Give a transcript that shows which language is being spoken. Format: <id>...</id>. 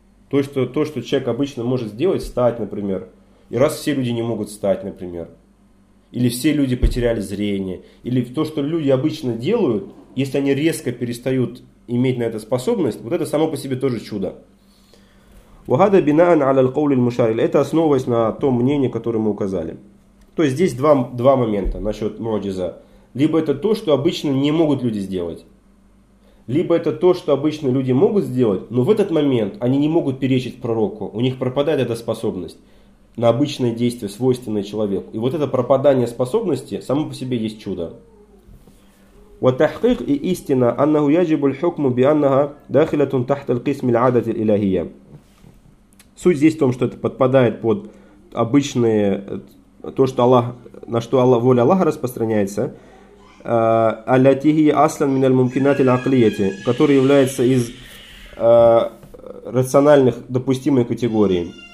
<ru>То, что человек обычно может сделать, встать, например. И раз все люди не могут встать, например. Или все люди потеряли зрение. Или то, что люди обычно делают, если они резко перестают иметь на это способность, вот это само по себе тоже чудо.</ru> <ar>وهذا بناء على القول المشار إليه.</ar> <ru>Это основываясь на том мнении, которое мы указали. То есть здесь два момента насчет муджиза. Либо это то, что обычно не могут люди сделать. Либо это то, что обычно люди могут сделать, но в этот момент они не могут перечить пророку. У них пропадает эта способность на обычное действие, свойственное человеку. И вот это пропадание способности само по себе есть чудо.</ru> <ar>وتحقيق إستنا أنه يجب الحكم بأنها داخلة تحت القسم العادة الإلهية.</ar> <ru>Суть здесь в том, что это подпадает под обычные, то, что Аллах, на что Аллах, воля Аллаха распространяется,</ru> <ar>аллятихи аслан миналь мумкинатиль аклиети,</ar> <ru>который является из рациональных допустимой категории.</ru>